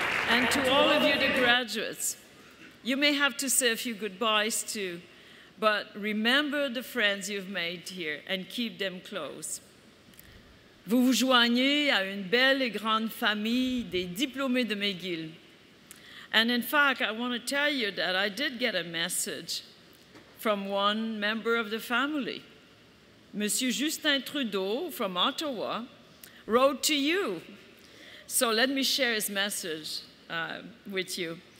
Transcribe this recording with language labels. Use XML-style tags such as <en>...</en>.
<en>And to all of you, the graduates, you may have to say a few goodbyes too, but remember the friends you've made here and keep them close.</en> <fr>Vous vous joignez à une belle et grande famille des diplômés de McGill.</fr> <en>And in fact, I want to tell you that I did get a message from one member of the family. Monsieur Justin Trudeau from Ottawa wrote to you. So let me share his message with you.</en>